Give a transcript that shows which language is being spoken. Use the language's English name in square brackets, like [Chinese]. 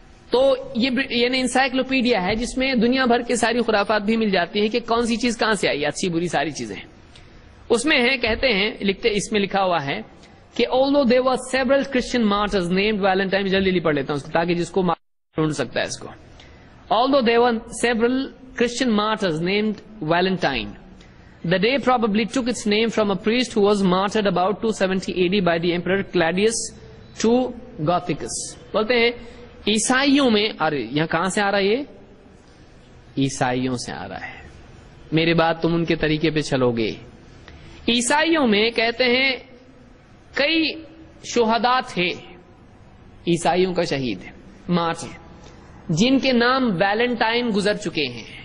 [Urdu] تو یہ یعنی انسائکلوپیڈیا ہے جس میں دنیا بھر کے ساری خرافات بھی مل جاتی ہیں کہ کون سی چیز کہاں سے آئی، اچھی بری ساری چیزیں اس میں ہیں. کہتے ہیں لکھتے اس میں لکھا ہوا ہے کہ [English] although there were several Christian martyrs named Valentine, [Urdu] جلدی پڑھ لیتا ہوں تاکہ جس کو ڈھونڈ سکتا ہے اس کو. [English] Although there were several Christian martyrs named Valentine, the day probably took its name from a priest who was martyred about 270 AD by the emperor Claudius to Gothicus. [Urdu] بولتے ہیں عیسائیوں میں، ارے یہاں کہاں سے آ رہا ہے، عیسائیوں سے آ رہا ہے، میرے بات تم ان کے طریقے پہ چلو گے. عیسائیوں میں کہتے ہیں کئی شہداء تھے، عیسائیوں کا شہید مارٹ جن کے نام ویلنٹائن گزر چکے ہیں.